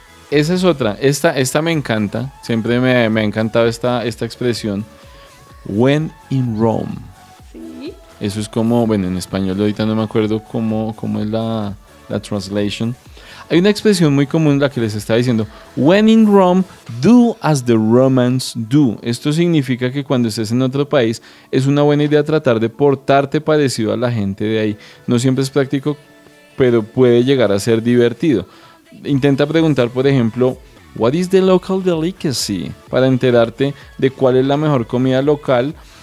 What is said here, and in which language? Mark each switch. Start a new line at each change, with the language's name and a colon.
Spanish: Esa es otra, esta me encanta, siempre me ha encantado esta expresión.
English: When in Rome.
Spanish: Sí. Eso es como, bueno, en español ahorita no me acuerdo cómo es la translation. Hay una expresión muy común, la que les estaba diciendo.
English: When in Rome, do as the Romans do.
Spanish: Esto significa que cuando estés en otro país, es una buena idea tratar de portarte parecido a la gente de ahí. No siempre es práctico, pero puede llegar a ser divertido. Intenta preguntar, por ejemplo,
English: What is the local delicacy?
Spanish: Para enterarte de cuál es la mejor comida local.